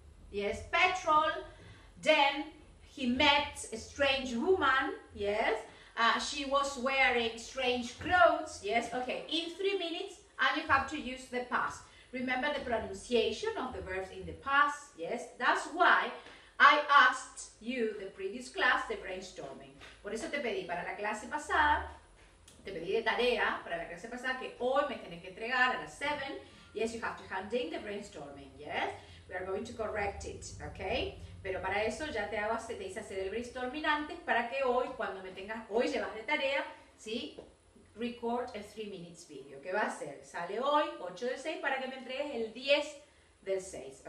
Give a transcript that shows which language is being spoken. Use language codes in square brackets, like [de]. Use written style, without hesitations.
[en] yes, petrol, then he met a strange woman, yes, she was wearing strange clothes, yes, okay, in 3 minutes, and you have to use the past. Remember the pronunciation of the verbs in the past, yes? That's why I asked you the previous class the brainstorming. [es] Por eso te pedí para la clase pasada, te pedí de tarea para la clase pasada que hoy me tienes que entregar a las 7. [en] Yes, you have to hand in the brainstorming, yes? We are going to correct it, okay? [es] Pero para eso ya te hice hacer el brainstorming antes para que hoy, cuando me tengas, hoy llevas de tarea, ¿sí? [en] Record a 3 minutes video. [es] ¿Qué va a ser? Sale hoy, 8 del 6, para que me entregues el 10 del 6.